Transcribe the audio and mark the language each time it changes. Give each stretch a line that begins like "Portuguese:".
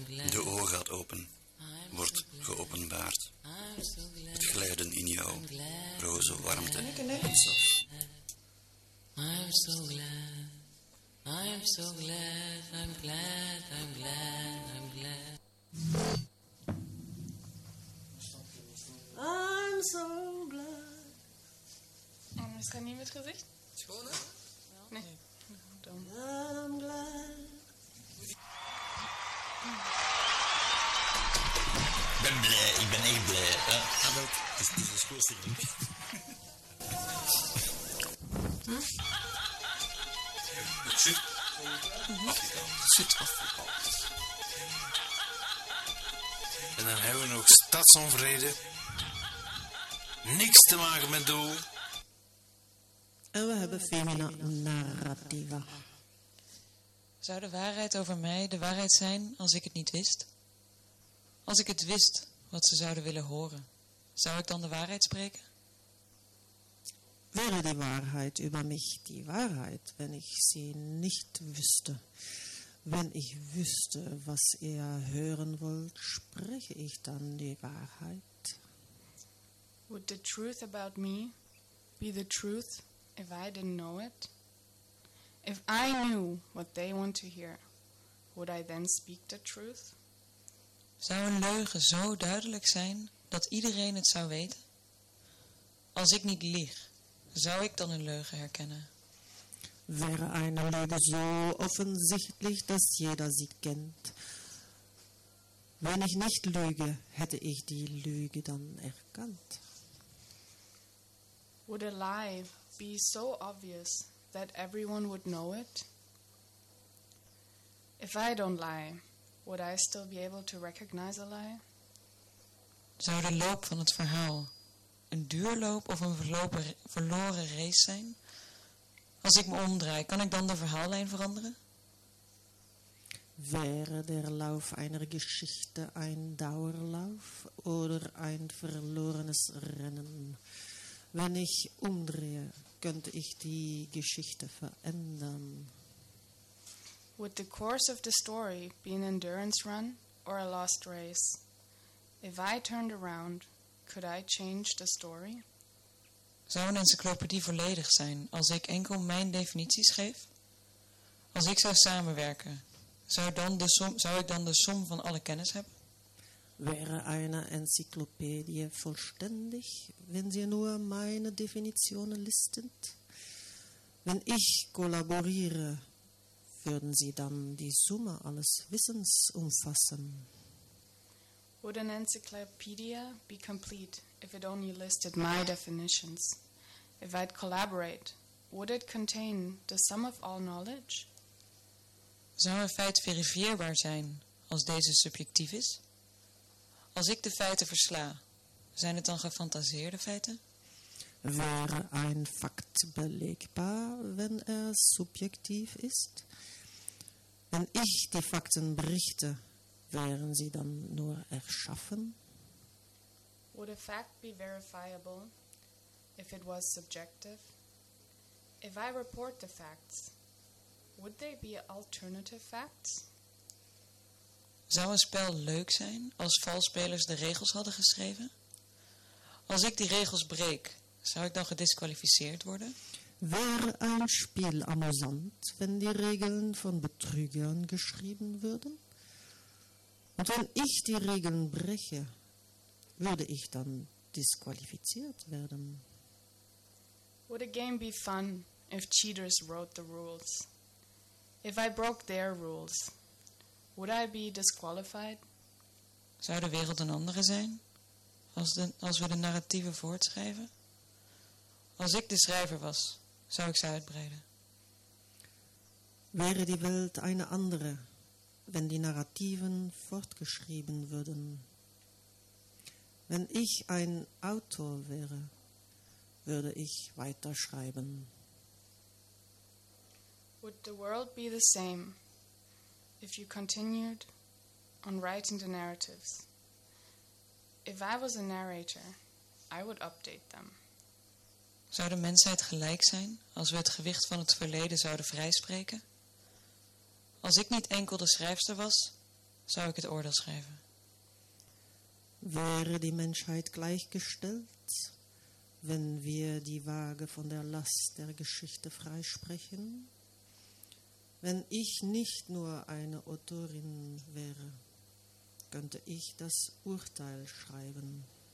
Dutch: De oog gaat open, wordt geopenbaard. Het glijden in jou, roze warmte.
English: I'm so glad. I'm so glad, I'm glad, I'm glad, I'm glad. I'm so glad.
German: Oh, ist er nie mit Gesicht? Schon, ne?
Dutch: Ja. Nee.
English: I'm glad.
Dutch: Ik ben blij, ik ben echt blij. Het is niet zo'n schoolste ding. Zit af. En dan hebben we nog stadsonvrede. Niks te maken met doel. En we hebben femina narrativa. Zou de waarheid over mij de waarheid zijn als ik het niet wist? Als ik het wist wat ze zouden willen horen, zou ik dan de waarheid spreken?
German: Wäre die Wahrheit über mich die Wahrheit, wenn ich sie nicht wüsste? Wenn ich wüsste, was ihr hören wollt, spreche ich dann die Wahrheit?
English: Would the truth about me be the truth if I didn't know it? If I knew what they want to hear, would I then speak the truth?
Dutch: Zou een leugen zo duidelijk zijn dat iedereen het zou weten? Als ik niet lieg, zou ik dan een leugen herkennen?
German: Wäre eine Lüge so offensichtlich, dass jeder sie kennt? Wenn ich nicht lüge, hätte ich die Lüge dann erkannt?
English: Would a lie be so obvious that everyone would know it? If I don't lie, would I still be able to recognize a lie?
Dutch: Zou de loop van het verhaal een duurloop of een verloren race zijn? Als ik me omdraai, kan ik dan de verhaallijn veranderen?
German: Wäre der Lauf einer Geschichte ein Dauerlauf oder ein verlorenes Rennen? Wenn ich umdrehe, könnte ich die Geschichte verändern?
English: Would the course of the story be an endurance run or a lost race? If I turned around, could I change the story?
Dutch: Zou een encyclopedie volledig zijn als ik enkel mijn definities geef? Als ik zou samenwerken, zou ik dan de som van alle kennis hebben?
German: Wäre eine Enzyklopädie vollständig, wenn sie nur meine Definitionen listet? Wenn ich kollaboriere, würden sie dann die Summe alles Wissens umfassen?
English: Would an encyclopedia be complete if it only listed my definitions? If I'd collaborate, would it contain the sum of all knowledge?
Dutch: Zou een feit verifieerbaar zijn als deze subjectief is? Als ik de feiten versla, zijn het dan gefantaseerde feiten?
German: Wäre ein Fakt belegbar, wenn er subjektiv ist? Wenn ich die Fakten berichte, wären sie dann nur erschaffen?
English: Would a fact be verifiable if it was subjective? If I report the facts, would they be alternative facts?
Dutch: Zou een spel leuk zijn als valsspelers de regels hadden geschreven? Als ik die regels breek, zou ik dan gedisqualificeerd worden?
German: Wäre ein Spiel amüsant, wenn die Regeln von Betrügern geschrieben würden? Und wenn ich die Regeln breche, würde ich dann disqualifiziert werden?
English: Would a game be fun if cheaters wrote the rules? If I broke their rules, would I be disqualified?
Dutch: Zou de wereld een andere zijn als we de narratieven voortschrijven? Als ik de schrijver was, zou ik ze uitbreiden?
German: Wäre die Welt eine andere, wenn die Narrativen fortgeschrieben würden? Wenn ich ein Autor wäre, würde ich weiterschreiben.
English: Would the world be the same if you continued on writing the narratives? If I was a narrator, I would update them.
Dutch: Zou de mensheid gelijk zijn als we het gewicht van het verleden zouden vrijspreken? Als ik niet enkel de schrijfster was, zou ik het oordeel schrijven.
German: Wäre die Menschheit gleichgestellt, wenn wir die Waage von der Last der Geschichte freisprechen? Wenn ich nicht nur eine Autorin wäre, könnte ich das Urteil schreiben.